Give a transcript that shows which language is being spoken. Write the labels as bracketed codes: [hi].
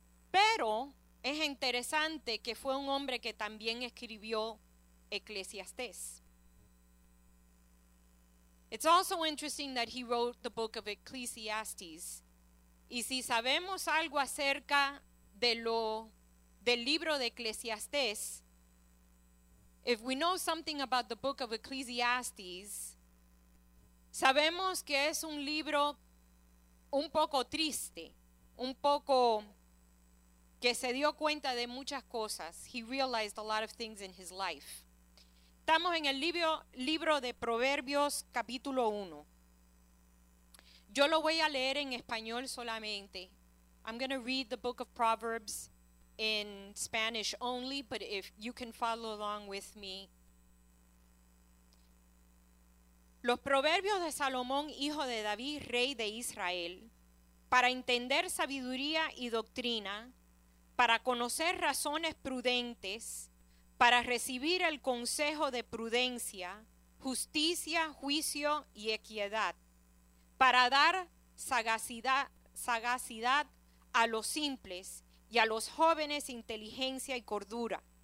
[es] Pero es interesante que fue un hombre que también escribió Eclesiastés. [en] It's also interesting that he wrote the book of Ecclesiastes. [es] Y si sabemos algo acerca del libro de Eclesiastés, [en] if we know something about the book of Ecclesiastes, [es] sabemos que es un libro un poco triste, un poco que se dio cuenta de muchas cosas. [en] He realized a lot of things in his life. [es] Estamos en el libro de Proverbios, capítulo 1. Yo lo voy a leer en español solamente. [en] I'm going to read the book of Proverbs in Spanish only, but if you can follow along with me. [es] Los proverbios de Salomón, hijo de David, rey de Israel, para entender sabiduría y doctrina, para conocer razones prudentes, para recibir el consejo de prudencia, justicia, juicio y equidad, para dar sagacidad a los simples y a los jóvenes inteligencia y cordura.